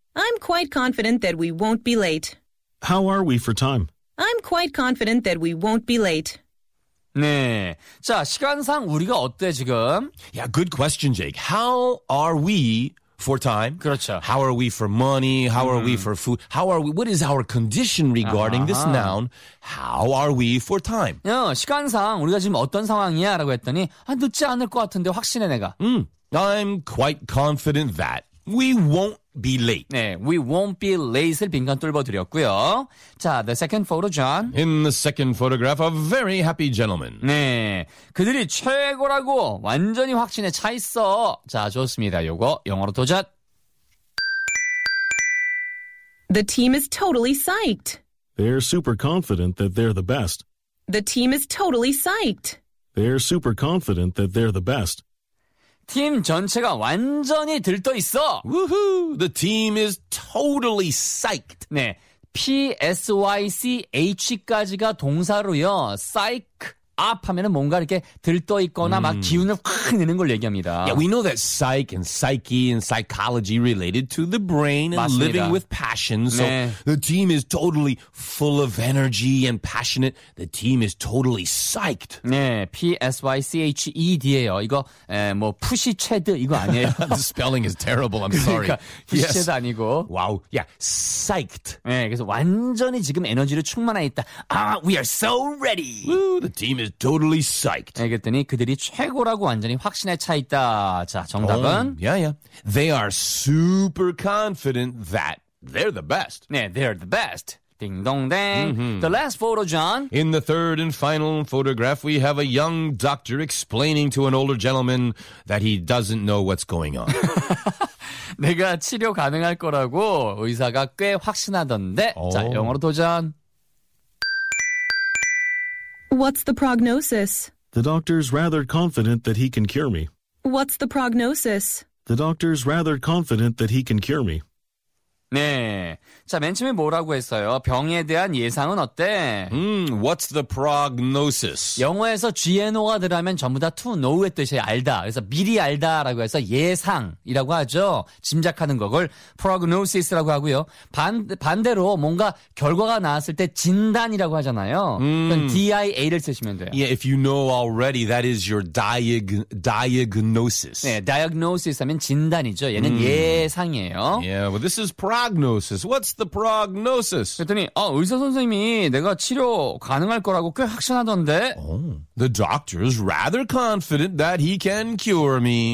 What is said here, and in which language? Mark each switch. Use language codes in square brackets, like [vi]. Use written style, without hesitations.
[en] I'm quite confident that we won't be late. How are we for time? I'm quite confident that we won't be late. [ko] 네. 자, 시간상 우리가 어때, 지금? [en] Yeah, good question, Jake. How are we for time? [ko] 그렇죠. [en] How are we for money? How are we for food? How are we, what is our condition regarding this noun? How are we for time? [ko] 야, 시간상 우리가 지금 어떤 상황이야? 라고 했더니, 아, 늦지 않을 것 같은데, 확신해, 내가. [en] I'm quite confident that we won't be late. [ko] 네, [en] we won't be late [ko] 을 빈칸 뚫어드렸고요. [en] 자, the second photo, John. In the second photograph, a very happy gentleman. [ko] 네, 그들이 최고라고 완전히 확신에 차 있어. 자, 좋습니다. 요거 영어로 도전. [en] The team is totally psyched. They're super confident that they're the best. The team is totally psyched. They're super confident that they're the best. [ko] 팀 전체가 완전히 들떠 있어. Woohoo! [en] The team is totally psyched. [ko] 네, P-S-Y-C-H까지가 동사로요. Psych up 하면은 뭔가 이렇게 들떠 있거나 막 기운을 확 내는 걸 얘기합니다. [en] Yeah, we know that psych and psyche and psychology related to the brain and [ko] 맞습니다. [en] living with passion. So [ko] 네. [en] the team is totally full of energy and passionate. The team is totally psyched. [ko] 네, psyched예요. 이거 에, 뭐 푸시 체드 이거 아니에요. [en] the spelling is terrible. I'm sorry. [ko] 그러니까 푸시 체드 yes. 아니고. [en] Wow. Yeah, psyched. [ko] 네, 그래서 완전히 지금 에너지를 충만해 있다. [en] Ah, we are so ready. Woo, the team is totally psyched. [ko] 네, 그랬더니 그들이 최고라고 완전히 확신에 차 있다. 자, 정답은? [en] Oh, yeah, yeah. They are super confident that they're the best. 네, they're the best. 딩동댕. Mm-hmm. The last photo, John. In the third and final photograph, we have a young doctor explaining to an older gentleman that he doesn't know what's going on. [ko] 내가 치료 가능할 거라고 의사가 꽤 확신하던데. Oh. 자, 영어로 도전. [en] What's the prognosis? The doctor's rather confident that he can cure me. What's the prognosis? The doctor's rather confident that he can cure me. [ko] 네. 자, 맨 처음에 뭐라고 했어요? 병에 대한 예상은 어때? [en] What's the prognosis? [ko] 영어에서 GNO가 들어가면 전부 다 to know의 뜻이 알다. 그래서 미리 알다라고 해서 예상이라고 하죠. 짐작하는 걸 prognosis라고 하고요. 반대로 뭔가 결과가 나왔을 때 진단이라고 하잖아요. 그럼 DIA를 쓰시면 돼요. [en] Yeah, if you know already, that is your diagnosis. [ko] 네, diagnosis 하면 진단이죠. 얘는 예상이에요. [en] Yeah, well, this is prognosis. What's the prognosis? [ko] 그랬더니 의사 선생님이 내가 치료 가능할 거라고 꽤 확신하던데. [en] The doctor is rather confident that he can cure me.